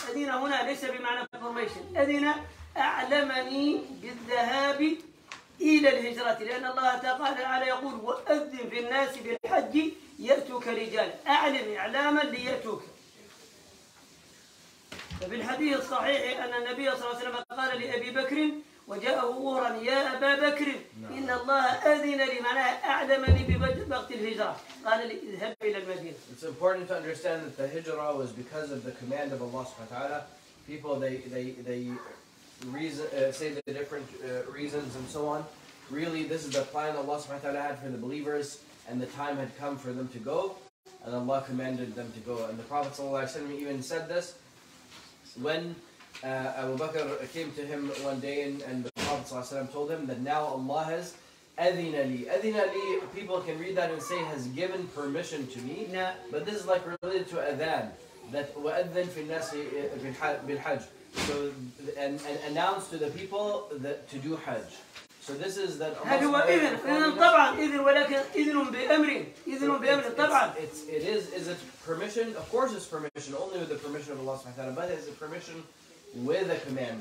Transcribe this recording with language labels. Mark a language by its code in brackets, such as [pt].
[ar] أذن هنا ليس بمعنى information. أذن أعلمني بالذهاب إلى الهجرة، لأن الله تعالى يقول: وأذن في الناس بالحج يأتوك رجال، أعلم إعلاما ليأتوك. ففي الحديث الصحيح أن النبي صلى الله عليه وسلم قال لأبي بكر وجاءه غورا: يا أبا بكر إن الله أذن لي، معناها أعلمني بوقت الهجرة، قال لي: اذهب إلى المدينة. [en] It's important to understand that the hijra was because of the command of Allah subhanahu wa ta'ala. People say the different reasons and so on. Really, this is the plan Allah subhanahu wa ta'ala had for the believers, and the time had come for them to go, and Allah commanded them to go. And the Prophet sallallahu alaihi wasallam even said this when Abu Bakr came to him one day, and the Prophet sallallahu alaihi wasallam told him that now Allah has adhina li. People can read that and say has given permission to me, but this is like related to adhan, that [ar] wa adhan fi nasi bil hajj. [en] So and announce to the people that to do Hajj. So this is that. [ar] هذا هو إذن. إذن طبعا إذن، ولكن إذن بأمر. إذن بأمر طبعا. [en] Is it permission? Of course, it's permission only with the permission of Allah subhanahu wa taala. But is it permission with a command?